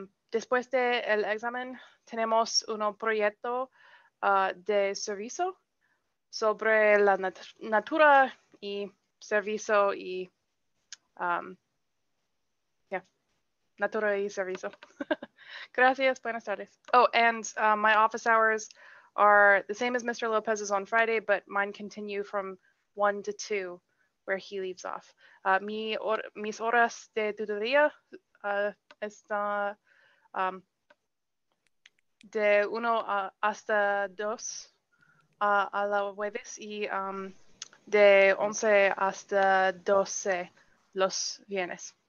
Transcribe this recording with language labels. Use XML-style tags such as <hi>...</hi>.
<es>Después de el examen, tenemos un proyecto de servicio sobre la natura y servicio y natura y servicio. Gracias, buenas tardes.</es> <en>Oh, and my office hours are the same as Mr. Lopez's on Friday, but mine continue from 1 to 2, where he leaves off.</en> <es>Mis horas de tutoría están de 1 hasta 2 a la jueves y de 11 hasta 12 los viernes.</es>